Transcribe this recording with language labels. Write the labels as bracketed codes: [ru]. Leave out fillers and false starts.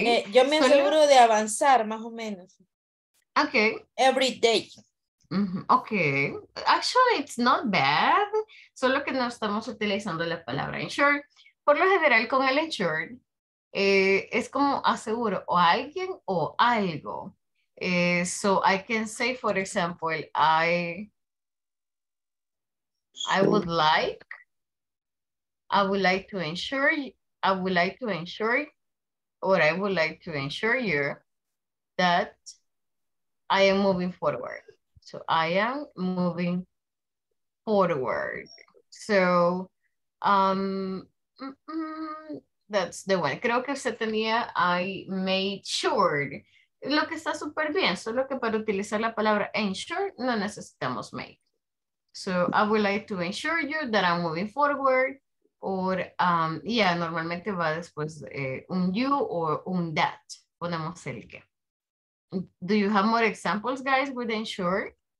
[es] Yo me aseguro de avanzar, más o menos. [en] Okay. Every day. Okay. Actually, it's not bad. [es] Solo que no estamos utilizando la palabra insured. Por lo general, con el insured, es como aseguro o alguien o algo. [en] So I can say, for example, I would like to ensure you that I am moving forward. So I am moving forward. So that's the one. [es] Creo que usted tenía [en] I made sure. [es] Lo que está súper bien, solo que para utilizar la palabra ensure no necesitamos make. [en] So I would like to ensure you that I'm moving forward. Or, yeah, [es] normalmente va después un you or un that. Ponemos el que. [en] Do you have more examples, guys, with ensure?